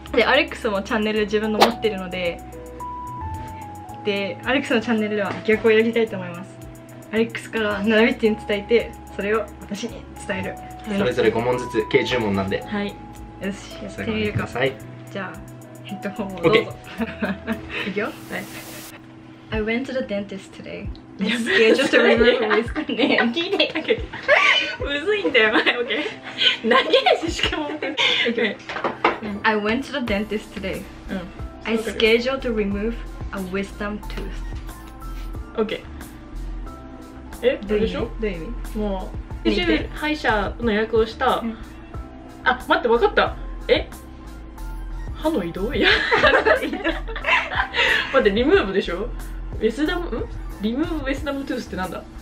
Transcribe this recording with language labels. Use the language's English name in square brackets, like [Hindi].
[Japanese] で、アレックスもチャンネル自分の持ってるので、で、アレックスのチャンネルでは逆をやりたいと思います。アレックスからナナミッチに伝えて、それを私に伝える。それぞれ5問ずつ、計10問なんで、はい、よし、やってみるか。はい、じゃあヘッドホンをどうぞ。いくよ。はい。 [English] I went to the dentist today. I'm scared to remember his name. [Japanese] 聞いて。むずいんだよ。OK。 投げやし、しかも。OK。 [English] I went to the dentist today. I scheduled to remove a wisdom tooth. [Japanese] OK。 え、どうでしょ？どういう意味？もう、一瞬歯医者の予約をした。あ、待って、わかった。え？歯の移動？いや、待って、リムーブでしょ？ウィスダム、ん？リムーブウィスダムトゥースってなんだ？